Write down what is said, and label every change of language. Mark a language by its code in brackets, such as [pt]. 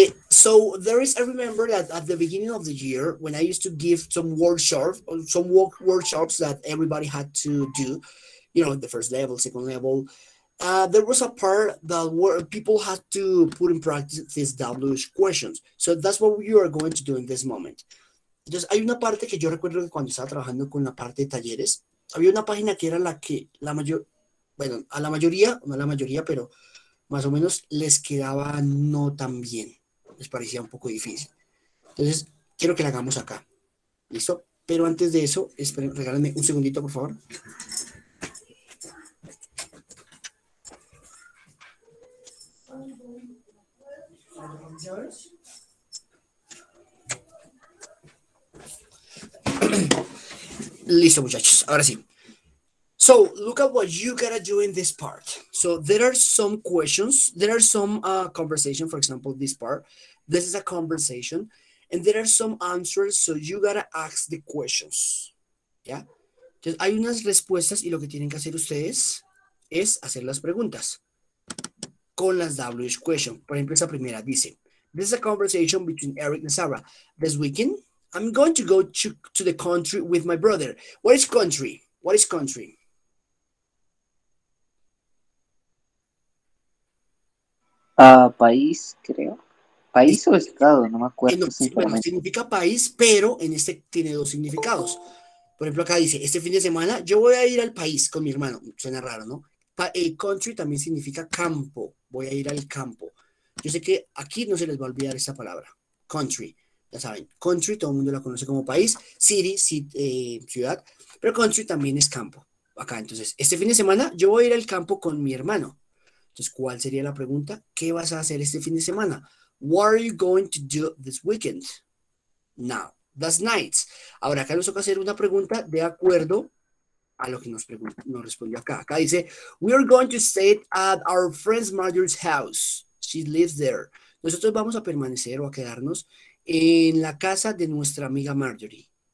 [en] So, there is, I remember that at the beginning of the year, when I used to give some workshops that everybody had to do, you know, the first level, second level, there was a part that where people had to put in practice these WH questions. So that's what you are going to do in this moment. [es] Entonces, hay una parte que yo recuerdo que cuando estaba trabajando con la parte de talleres, había una página que era la que la mayor, bueno, a la mayoría, no a la mayoría, pero más o menos les quedaba no tan bien. Les parecía un poco difícil. Entonces, quiero que la hagamos acá. ¿Listo? Pero antes de eso, esperen, regálenme un segundito, por favor. Listo, muchachos. Ahora sí. [en] So, look at what you gotta do in this part. So, there are some questions. There are some conversation, for example, this part. This is a conversation. And there are some answers. So, you gotta ask the questions. ¿Ya? [es] Entonces, hay unas respuestas y lo que tienen que hacer ustedes es hacer las preguntas con las WH questions. Por ejemplo, esa primera dice, [en] this is a conversation between Eric and Sarah. This weekend, I'm going to go to the country with my brother. What is country? What is country? [es] País, creo. País o estado, no me acuerdo. Bueno, significa país, pero en este tiene dos significados. Por ejemplo, acá dice, este fin de semana yo voy a ir al país con mi hermano. Suena raro, ¿no? Country también significa campo. Voy a ir al campo. Yo sé que aquí no se les va a olvidar esa palabra. Country. Ya saben, country, todo el mundo la conoce como país. City, ciudad. Pero country también es campo. Acá, entonces, este fin de semana yo voy a ir al campo con mi hermano. Entonces, ¿cuál sería la pregunta? ¿Qué vas a hacer este fin de semana? [en] What are you going to do this weekend? Now, that's nice. [es] Ahora, acá nos toca hacer una pregunta de acuerdo a lo que nos respondió acá. Acá dice, [en] we are going to stay at our friend's mother's house. She lives there. [es] Nosotros vamos a permanecer o a quedarnos en la casa de nuestra amiga Marjorie.